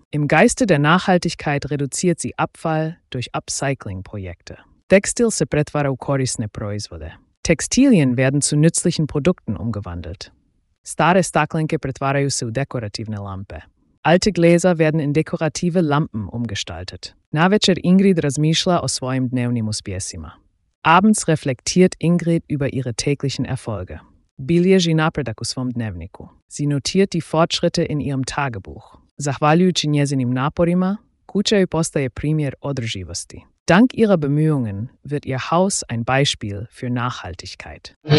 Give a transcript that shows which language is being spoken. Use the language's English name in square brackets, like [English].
[German] Im Geiste der Nachhaltigkeit reduziert sie Abfall durch Upcycling-Projekte. [Croatian] Tekstil se pretvara u korisne proizvode. [German] Textilien werden zu nützlichen Produkten umgewandelt. [Croatian] Stare staklenke pretvaraju se u dekorativne lampe. [German] Alte Gläser werden in dekorative Lampen umgestaltet. [Croatian] Navečer Ingrid razmišlja o svojim dnevnim uspjesima. [German] Abends reflektiert Ingrid über ihre täglichen Erfolge. [Croatian] Bilježi napredak u svom dnevniku. [German] Sie notiert die Fortschritte in ihrem Tagebuch. [Croatian] Zahvaljujući njezinim naporima, kuća joj postaje primjer održivosti. [German] Dank ihrer Bemühungen wird ihr Haus ein Beispiel für Nachhaltigkeit.